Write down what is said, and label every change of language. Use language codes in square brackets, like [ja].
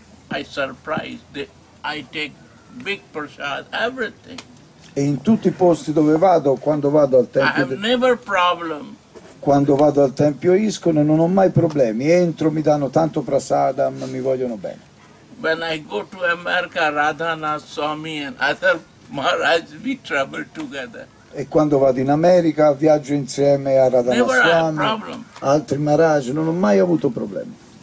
[en] I take big prasad, everything. [it] E in tutti i posti dove vado, quando vado al tempio. [en] I have never problem. [it] Quando vado al tempio ISKCON non ho mai problemi. Entro, mi danno tanto prasadam, mi vogliono bene. [en] When I go to America, Radhana Swami and other Maharaj, we travel together. [it] E quando vado in America, viaggio insieme a Radhana Swami, altri Maharaj, non ho mai avuto problemi.